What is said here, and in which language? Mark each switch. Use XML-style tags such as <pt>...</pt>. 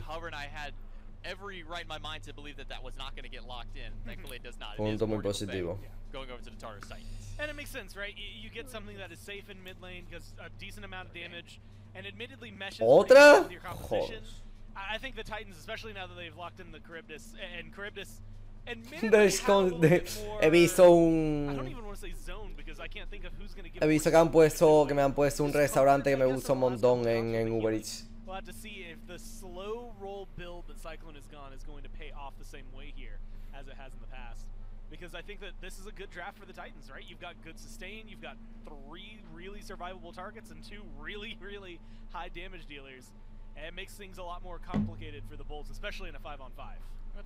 <en>Hover and I had every right in my mind to believe that that was not going to get locked in. Thankfully, it does not.</en> <es>Punto muy positivo.</es> <en>Going over to the Tartar site. And it makes sense, right? You get something that is safe in mid lane, because a decent amount of damage, and admittedly meshes</en> <es>¿Otra?</es> <en>With your composition. I think the Titans, especially now that they've locked in the Charybdis, and Charybdis</en> <es>he visto un he visto que han puesto que me han puesto un restaurante que me gusta un montón en Uber Eats.</es> <en>We'll have to see if the slow roll build that Cyclone has gone is going to pay off the same way here as it has in the past, because I think that this is a good draft for the Titans, right? You've got good sustain, you've got three really survivable targets and two really really high damage dealers, and it makes things a lot more complicated for the Bolts, especially in a 5-on-5.</en>